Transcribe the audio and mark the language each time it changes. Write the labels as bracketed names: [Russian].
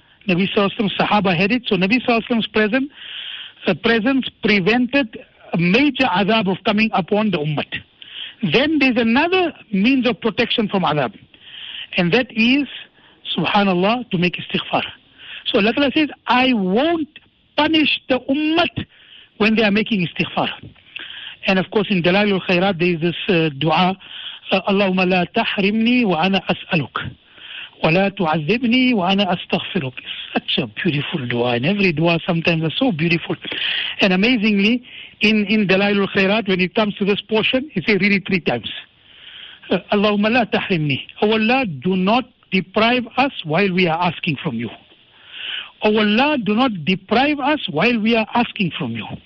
[English] Nabi Sallallahu Alaihi Sahaba had it. So Nabi Sallallahu Alaihi presence prevented a major azab of coming upon the ummah. Then there's another means of protection from azab. And that is, subhanallah, to make istighfar. So Allah Ta'ala says, I won't punish the ummah when they are making istighfar. And of course in Dalail al-Khairat there is this dua, [Arabic] اللهم لا تحرمني وأنا أسألك ولا تعذبني وأنا أستغفرك. [English] Such a beautiful dua, and every dua sometimes is so beautiful. And amazingly, in Dalail al-Khairat, when it comes to this portion, it says really three times. [Arabic] اللهم لا تحرمني. [English] Oh Allah, do not deprive us while we are asking from you. Oh Allah, do not deprive us while we are asking from you.